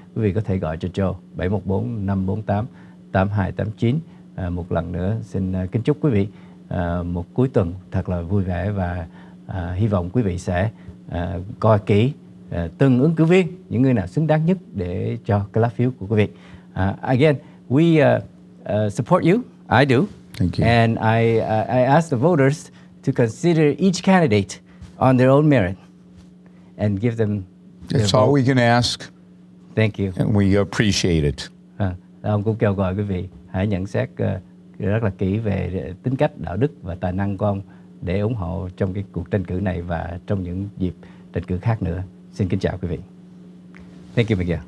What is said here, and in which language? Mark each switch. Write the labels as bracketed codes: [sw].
[vi] Quý vị có thể gọi cho Joe 714-548-8289. Một lần nữa xin kính chúc quý vị một cuối tuần thật là vui vẻ, và hy vọng quý vị sẽ coi kỹ từng ứng cử viên, những người nào xứng đáng nhất để cho cái lá phiếu của quý vị. [en] Again, we support you. I do. Thank you. And I ask the voters to consider each candidate on their own merit and give them their vote. That's all we can ask. Thank you. And we appreciate it. [vi] Ông cũng kêu gọi quý vị hãy nhận xét rất là kỹ về tính cách, đạo đức và tài năng của ông để ủng hộ trong cái cuộc tranh cử này và trong những dịp tranh cử khác nữa. Xin kính chào quý vị. [en] Thank you, Miguel.